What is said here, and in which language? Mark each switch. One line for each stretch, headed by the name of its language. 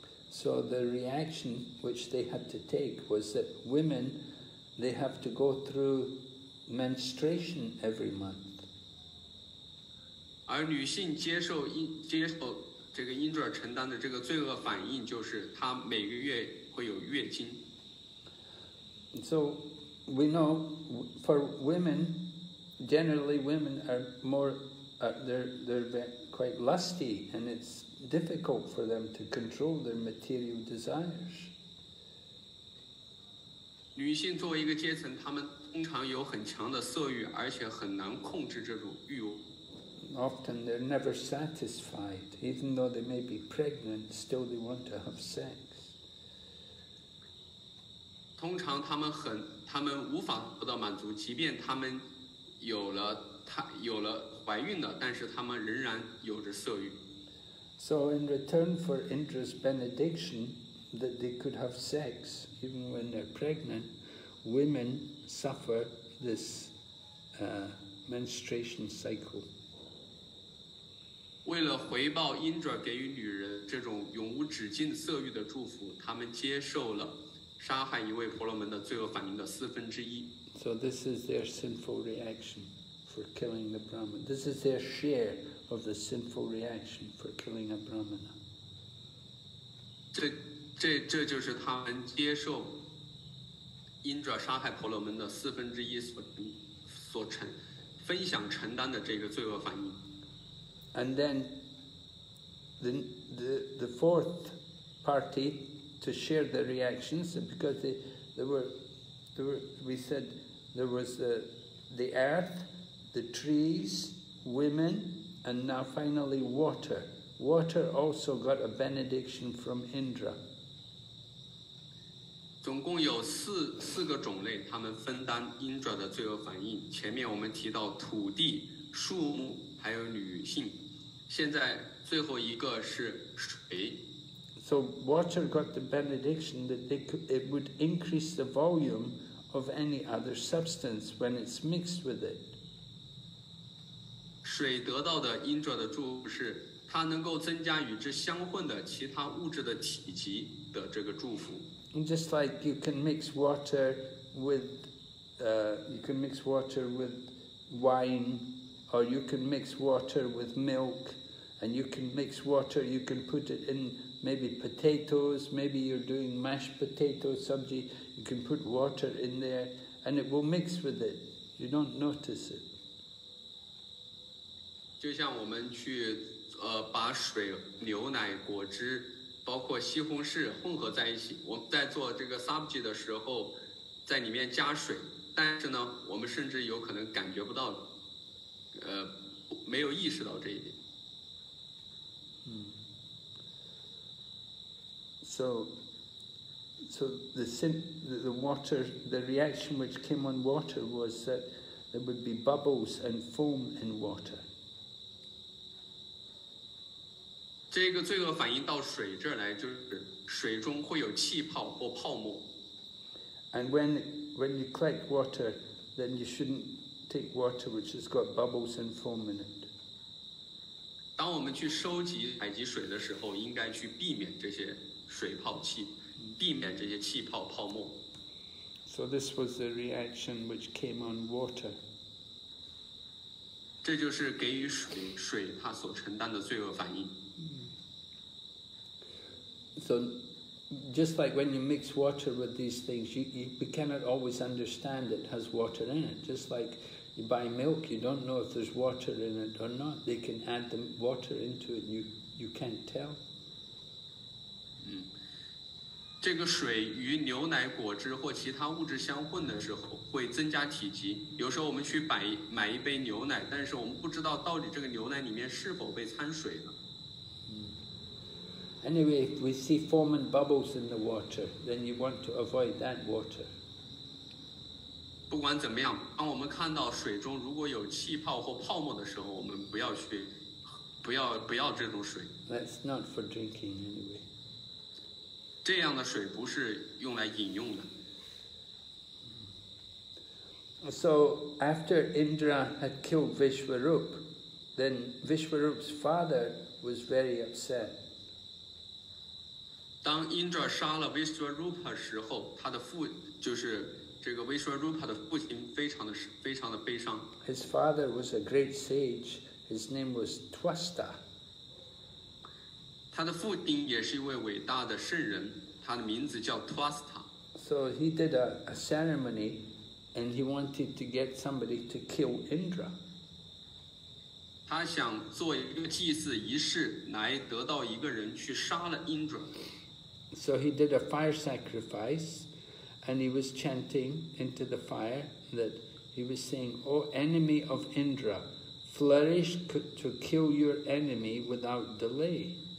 English: So the reaction which they had to take was that women, they have to go through menstruation every month.
Chinese: 而女性接受这个Indra承担的这个罪恶反应就是她每个月会有月经。
English: So we know for women, generally women are quite lusty and it's difficult for them to control their material desires.
Chinese: 女性作为一个阶层，她们通常有很强的色欲，而且很难控制这种欲望。
English: Often they're never satisfied, even though they may be pregnant, still they want to have sex.
Chinese: 通常她们无法得到满足，即便她们有了怀孕的，但是她们仍然有着色欲。
English: So in return for Indra's benediction that they could have sex even when they're pregnant, women suffer this menstruation cycle.
Chinese: 为了回报 Indra 给予女人这种永无止境色欲的祝福，他们接受了杀害一位婆罗门的罪恶反应的四分之一。
English: So this is their sinful reaction for killing the Brahman. This is their share. Of the sinful reaction for killing a Brahmana.
Chinese: 这就是他们接受 Indra 杀害婆罗门的四分之一分享承担的这个罪恶反应。
English: And then the fourth party to share the reactions, because there was the earth, the trees, women. And now finally water. Water also got a benediction from Indra.
Chinese: 总共有四个种类，他们分担 Indra 的罪恶反应。前面我们提到土地、树木还有女性，现在最后一个是水。
English: So water got the benediction that it would increase the volume of any other substance when it's mixed with it.
Chinese: 水得到的 Indra 的祝福是它能够增加与之相混的其他物质的体积的这个祝福。
English: Just like you can mix water with, you can mix water with wine, or you can mix water with milk, and you can mix water, you can put it in maybe potatoes, maybe you're doing mashed potato sabji, you can put water in there, and it will mix with it. You don't notice it.
Chinese: 就像我们去把水、牛奶、果汁包括西红柿混合在一起，我们在做这个 subji 的时候在里面加水，但是呢我们甚至有可能感觉不到没有意识到这一点。
English: So the water, the reaction which came on water was that there would be bubbles and foam in water.
Chinese: 这个罪恶反应到水这儿来，就是水中会有气泡或泡沫。
English: And when you collect water, then you shouldn't take water which has got bubbles and foam in it.
Chinese: 当我们去收集采集水的时候，应该去避免这些水泡气，避免这些气泡泡沫。
English: So this was the reaction which came on water.
Chinese: 这就是给予水它所承担的罪恶反应。
English: So, just like when you mix water with these things, you cannot always understand it has water in it. Just like you buy milk, you don't know if there's water in it or not. They can add the water into it, and you can't tell.
Chinese: 这个水与牛奶、果汁或其他物质相混的时候会增加体积。有时候我们去买一杯牛奶，但是我们不知道到底这个牛奶里面是否被掺水了。
English: Anyway, if we see foam and bubbles in the water, then you want to avoid that water.
Chinese: 不管怎么样，当我们看到水中如果有气泡或泡沫的时候，我们不要这种水。
English: That's not for drinking anyway.
Chinese: 这样的水不是用来饮用的。
English: So after Indra had killed Vishwarup, then Vishwarup's father was very upset.
Chinese: 当 Indra 杀了 Vishwarupa 时候，他的父就是这个 Vishwarupa 的父亲，非常的悲伤。
English: His father was a great sage. His name was Twasta.
Chinese: 他的父亲也是一位伟大的圣人，他的名字叫 Twasta.
English: So he did a ceremony, and he wanted to get somebody to kill Indra.
Chinese: 他想做一个祭祀仪式来得到一个人去杀了鹰准。
English: So he did a fire sacrifice, and he was chanting into the fire that he was saying, O enemy of Indra, flourish to kill your enemy without delay.